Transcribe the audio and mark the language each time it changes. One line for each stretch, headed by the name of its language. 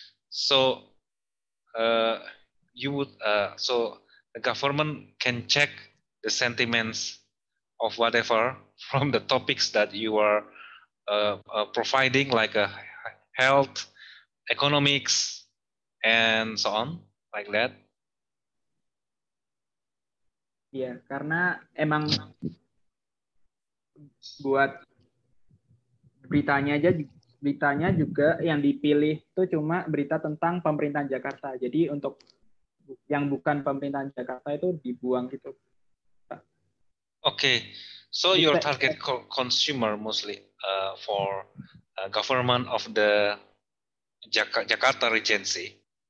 English: So, the government can check the sentiments of whatever from the topics that you are providing, like a health, economics, and so on, like that.
Indonesian: Yeah, karena emang buat beritanya juga yang dipilih itu cuma berita tentang pemerintahan Jakarta. Jadi untuk yang bukan pemerintahan Jakarta itu dibuang gitu.
English: Okay, so your target consumer mostly for government of the Jakarta Regency.